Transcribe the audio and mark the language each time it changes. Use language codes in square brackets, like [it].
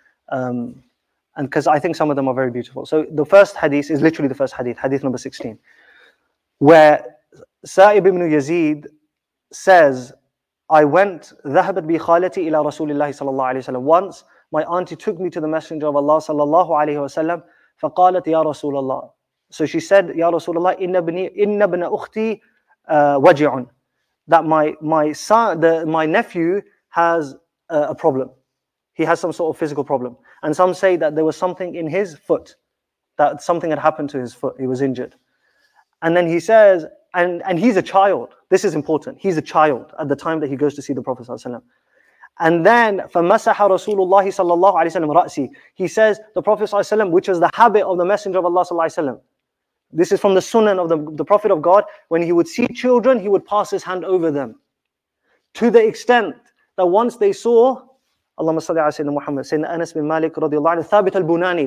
[en] And because I think some of them are very beautiful. So the first hadith is literally the first hadith, hadith number 16, where Sa'ib ibn Yazid says, I went, [ar] ذهبت بي خالتي إلى رسول الله صلى الله عليه وسلم. [en] Once my auntie took me to the Messenger of Allah [ar] صلى الله عليه وسلم. فقالت يا رسول الله. [en] So she said, [ar] يا رسول الله إن ابن أختي وجع. [en] That my nephew has a problem. He has some sort of physical problem. And some say that there was something in his foot, that something had happened to his foot. He was injured. And then he says, and he's a child. This is important. He's a child at the time that he goes to see the Prophet sallallahu alaihi wasallam. And then [ar] فَمَسَحَ رَسُولُ اللَّهِ صَلَّى اللَّهُ عَلَيْهِ وَسَلَّمَ رَأْسِي. [en] He says the Prophet sallallahu alaihi wasallam, which was the habit of the Messenger of Allah sallallahu alaihi wasallam. This is from the Sunan of the Prophet of God. When he would see children, he would pass his hand over them, to the extent that once they saw, [ar] اللهم صل على سيدنا محمد, سيدنا أنس بن مالك رضي الله عنه, ثابت البناني.